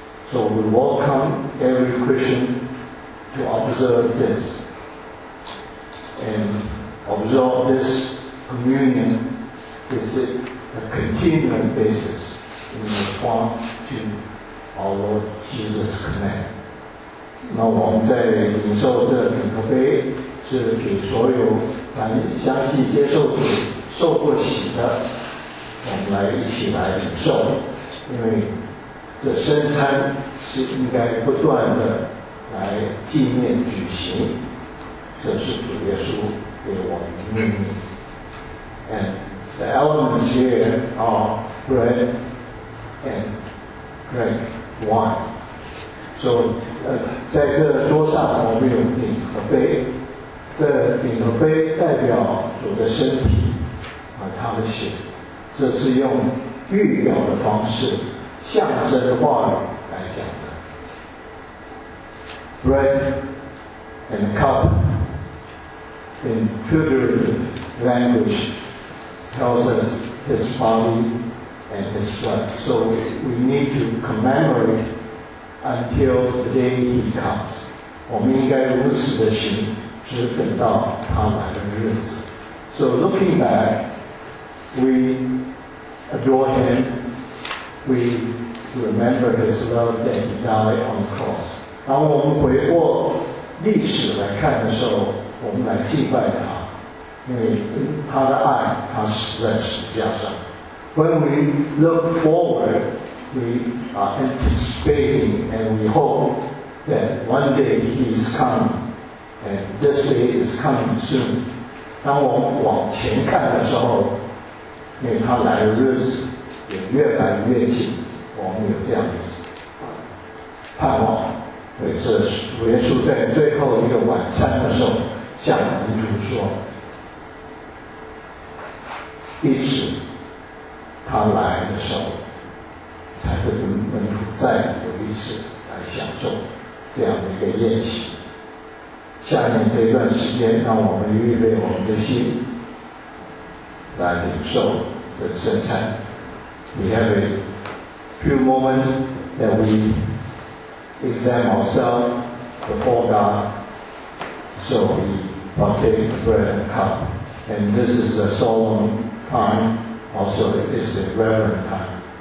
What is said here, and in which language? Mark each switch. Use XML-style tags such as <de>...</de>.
<en>So we welcome every Christian to observe this and observe this communion. This is a continuing basis in response to our Lord Jesus' command.</en> <zh>那我们在领受这饼和杯，是给所有凡相信接受主、受过洗的，我们来一起来领受，因为这圣餐是应该不断的来纪念举行，这是主耶稣给我们的命令。</zh> <en>And the elements here are bread and drink wine. So.</en> <zh>在这桌上我们有饼和杯，这饼和杯代表主的身体和他的血，这是用预表的方式象征的话语来讲的。</zh> <en>Bread and cup in figurative language tells us his body and his blood, so we need to commemorateUntil the day he comes.</en> <zh>我们应该如此的行，只等到他来的日子。</zh> <en>So looking back, we adore him, we remember his love that he died on the cross.</en> <zh>当我们回过历史来看的时候，我们来敬拜他，因为他的爱，他死在十字架上。</zh> <en>When we look forward,We are anticipating and we hope that one day he is coming and this day is coming soon.</en> <zh>当我们往前看的时候，因为他来的日子也越来越近，我们有这样的盼望。对，这是主耶稣在最后一个晚餐的时候向门徒说，一直他来的时候才会跟门徒再有一次来享受这样的一个宴席。下面这一段时间，让我们预备我们的心来领受这圣餐。</zh> <en>We have a few moments that we examine ourselves before God, so we partake the bread and cup. And this is a solemn time, also it is a reverent time.</en>